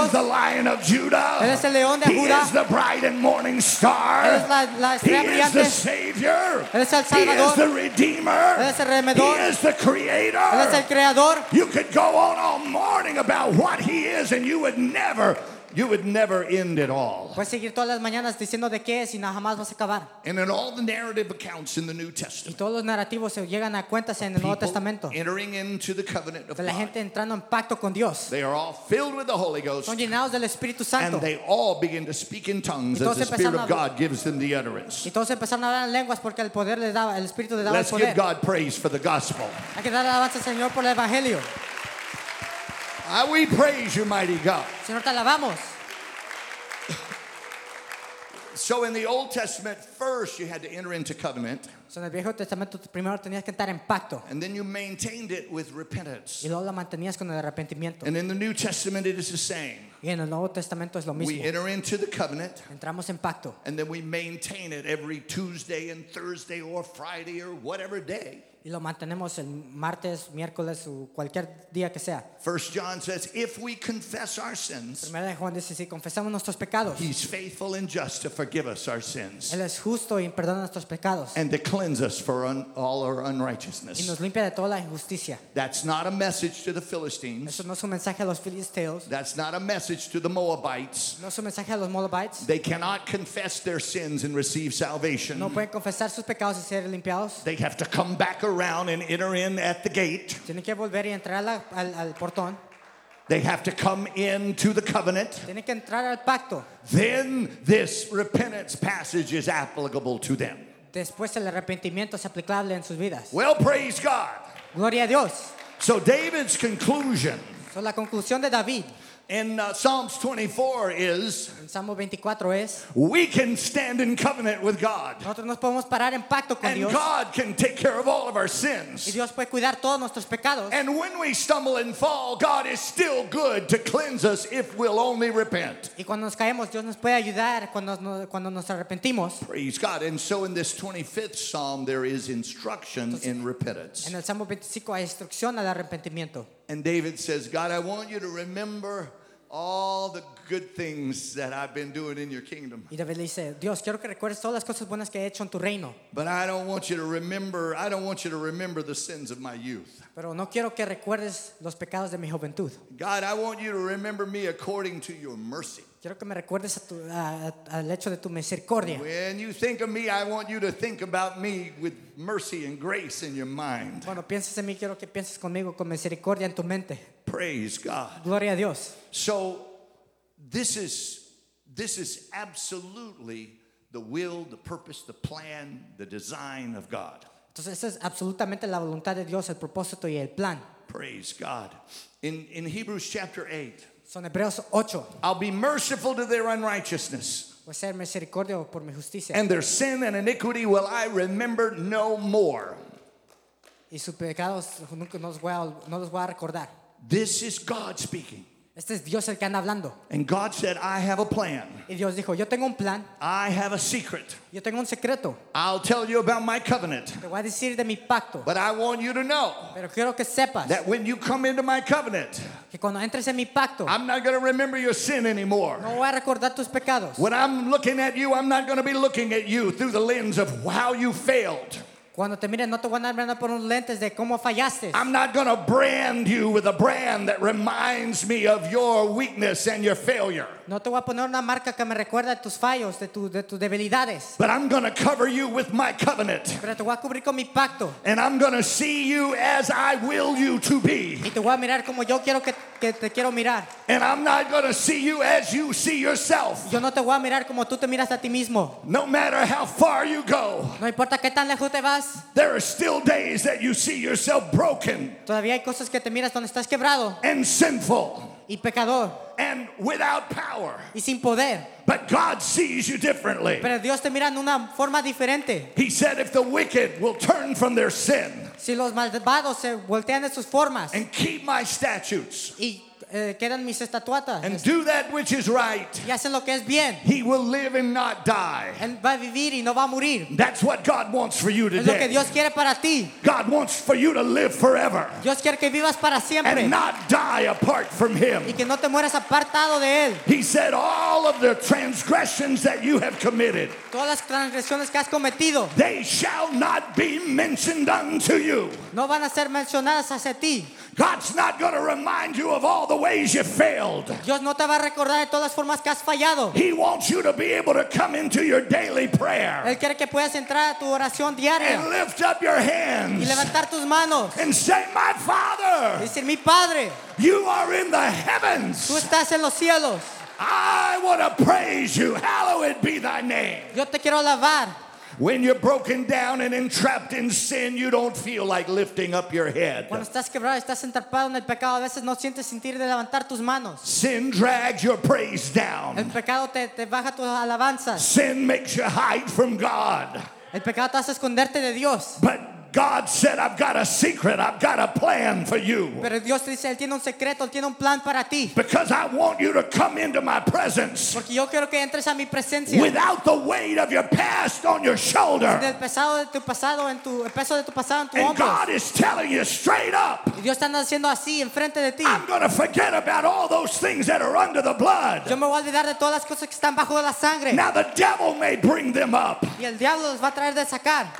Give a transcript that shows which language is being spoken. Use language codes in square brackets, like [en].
[en] He is the Lion of Judah. [es] Él es el león de Judá. [en] He is the Bright and Morning Star. [es] Él es la estrella [en] he [es] brillante. [en] Is the Savior. [es] Él es el Salvador. [en] He is the Redeemer. [es] Él es el Redentor. [en] He is the Creator. [es] Él es el Creador. [en] You could go on all morning about what he is. And you would never end it all. [es] Puedes seguir todas las mañanas diciendo de qué, si jamás vas a acabar. [en] And in all the narrative accounts in the New Testament. [es] Y todos los narrativos se llegan a cuentas en el Nuevo Testamento. [en] Entering into the covenant of [es] God. La gente entrando en pacto con Dios. [en] They are all filled with the Holy Ghost. [es] Son llenados del Espíritu Santo. [en] And they all begin to speak in tongues as the Spirit of God gives them the utterance. [es] Y todos empezaron a hablar en lenguas porque el poder les daba, el Espíritu les daba [en] poder. Let's give God praise for the gospel. [es] Hay que dar alabanza al Señor por el evangelio. [en] We praise you, mighty God. [es] Señor, te alabamos. [en] So in the Old Testament, first you had to enter into covenant. [es] En el Viejo Testamento primero tenías que entrar en pacto. [en] And then you maintained it with repentance. [es] Y luego lo mantenías con el arrepentimiento. [en] And in the New Testament, it is the same. [es] Y en el Nuevo Testamento es lo mismo. [en] We enter into the covenant. [es] Entramos en pacto. [en] And then we maintain it every Tuesday and Thursday or Friday or whatever day. [es] Y lo mantenemos el martes, miércoles o cualquier día que sea. [en] 1 John says, if we confess our sins, [es] 1 Juan dice, si confesamos nuestros pecados, [en] he's faithful and just to forgive us our sins. [es] Él es justo y perdona nuestros pecados. [en] And to cleanse us for all our unrighteousness. [es] Y nos limpia de toda la injusticia. [en] That's not a message to the Philistines. [es] Eso no es un mensaje a los filisteos. [en] That's not a message to the Moabites. [es] No es un mensaje a los Moabites. [en] They cannot confess their sins and receive salvation. [es] No pueden confesar sus pecados y ser limpiados. [en] They have to come back around and enter in at the gate. [es] Tienen que volver y entrar al portón. [en] They have to come into the covenant. [es] Tienen que entrar al pacto. [en] Then this repentance passage is applicable to them. [es] Después el arrepentimiento es aplicable en sus vidas. [en] Well, praise God. [es] Gloria a Dios. [en] So David's conclusion. [es] So la conclusión de David. [en] In Psalms 24 is. [es] En Salmo 24 es. [en] We can stand in covenant with God. [es] Nosotros nos podemos parar en pacto con [en] and [es] Dios. [en] And God can take care of all of our sins. [es] Y Dios puede cuidar todos nuestros pecados. [en] And when we stumble and fall, God is still good to cleanse us if we'll only repent. [es] Y cuando nos caemos, Dios nos puede ayudar cuando nos arrepentimos. [en] Praise God. And so in this 25th Psalm, there is instruction [es] entonces, [en] in repentance. [es] En el Salmo 25 hay instrucción al arrepentimiento. [en] And David says, God, I want you to remember all the good things that I've been doing in your kingdom. [es] Y David dice, Dios, quiero que recuerdes todas las cosas buenas que he hecho en tu reino. [en] But I don't want you to remember the sins of my youth. [es] Pero no quiero que recuerdes los pecados de mi juventud. [en] God, I want you to remember me according to your mercy. [es] Quiero que me recuerdes al hecho de tu misericordia. [en] When you think of me, I want you to think about me with mercy and grace in your mind. [es] Cuando pienses en mí, quiero que pienses conmigo con misericordia en tu mente. [en] Praise God. [es] Gloria a Dios. [en] So this is absolutely the will, the purpose, the plan, the design of God. [es] Entonces, esa es absolutamente la voluntad de Dios, el propósito y el plan. [en] Praise God. In Hebrews chapter 8. [es] Son Hebreos 8. [en] I'll be merciful to their unrighteousness. [es] Voy a ser misericordioso por mi justicia. [en] And their sin and iniquity will I remember no more. [es] Y sus pecados nunca no los voy a recordar. [en] This is God speaking. [es] Este es Dios el que anda hablando. [en] And God said, I have a plan. [es] Y Dios dijo, yo tengo un plan. [en] I have a secret. [es] Yo tengo un secreto. [en] I'll tell you about my covenant. [es] Te voy a decir de mi pacto. [en] But I want you to know. [es] Pero quiero que sepas. [en] That when you come into my covenant. [es] Que cuando entres en mi pacto. [en] I'm not going to remember your sin anymore. [es] No voy a recordar tus pecados. [en] When I'm looking at you, I'm not going to be looking at you through the lens of how you failed. [es] Cuando te miren, no te van a mirar por unos lentes de cómo fallaste. [en] I'm not going to brand you with a brand that reminds me of your weakness and your failure. [es] No te voy a poner una marca que me recuerda de tus fallos, de tus debilidades. [en] But I'm going to cover you with my covenant. [es] Pero te voy a cubrir con mi pacto. [en] And I'm going to see you as I will you to be. [es] Y te voy a mirar como yo quiero que porque te quiero mirar. [en] And I'm not going to see you as you see yourself. [es] Yo no te voy a mirar como tú te miras a ti mismo. [en] No matter how far you go. [es] No importa qué tan lejos te vas. [en] There are still days that you see yourself broken. [es] Todavía hay cosas que te miras donde estás quebrado. [en] And sinful. [es] Y pecador. [en] And without power. [es] Y sin poder. [en] But God sees you differently. [es] Pero Dios te mira en una forma diferente. [en] He said if the wicked will turn from their sin. [es] Si los malvados se voltean de sus formas. [en] And keep my statutes. [es] Y quedan mis estatuatas. [en] And do that which is right. [es] Y hacen lo que es bien. [en] He will live and not die. [es] Él va a vivir y no va a morir. [en] That's what God wants for you today. [es] Es lo que Dios quiere para ti. [en] God wants for you to live forever. [es] Dios quiere que vivas para siempre. [en] And not die apart from Him. [es] Y que no te mueras apartado de Él. [en] He said all of the transgressions that you have committed. [es] Todas las transgresiones que has cometido. [en] They shall not be mentioned unto you. [es] No van a ser mencionadas hacia ti. [en] God's not going to remind you of all the ways you failed. [es] Dios no te va a recordar de todas las formas que has fallado. [en] He wants you to be able to come into your daily prayer. [es] Él quiere que puedas entrar a tu oración diaria. [en] And lift up your hands. [es] Y levantar tus manos. [en] And say, "My Father." [es] Y decir, "Mi Padre." [en] You are in the heavens. [es] Tú estás en los cielos. [en] I want to praise you. Hallowed be thy name. [es] Yo te quiero alabar. [en] When you're broken down and entrapped in sin, you don't feel like lifting up your head. [es] Cuando estás quebrado, estás entrapado en el pecado, a veces no sientes sentir de levantar tus manos. [en] Sin drags your praise down. [es] El pecado te baja tus alabanzas. [en] Sin makes you hide from God. [es] El pecado te hace esconderte de Dios. [en] But God said, "I've got a secret. I've got a plan for you." [es] Pero Dios te dice, él tiene un secreto, él tiene un plan para ti. [en] Because I want you to come into my presence. [es] Porque yo quiero que entres a mi presencia. [en] Without the weight of your past on your shoulder. [es] Sin el pesado de tu pasado en tu el peso de tu pasado en tu [en] hombro. And God is telling you straight up. [es] Y Dios está diciendo así en frente de ti. [en] I'm going to forget about all those things that are under the blood. [es] Yo me voy a olvidar de todas las cosas que están bajo la sangre. [en] Now the devil may bring them up. [es] Y el diablo los va a traer de sacar.